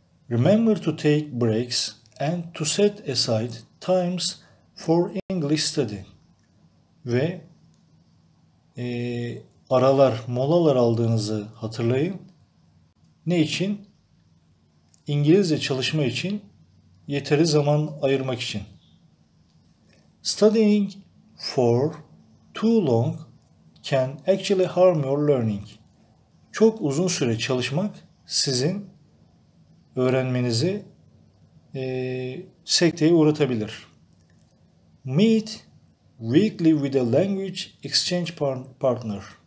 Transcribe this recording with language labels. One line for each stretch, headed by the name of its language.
English: Remember to take breaks and to set aside times for English study.
Turkish: Ve aralar, molalar aldığınızı hatırlayın. Ne için? İngilizce çalışma için yeteri zaman ayırmak için.
English: Studying for too long can actually harm your learning.
Turkish: Çok uzun süre çalışmak sizin öğrenmenizi sekteye uğratabilir.
English: Meet weekly with a language exchange partner.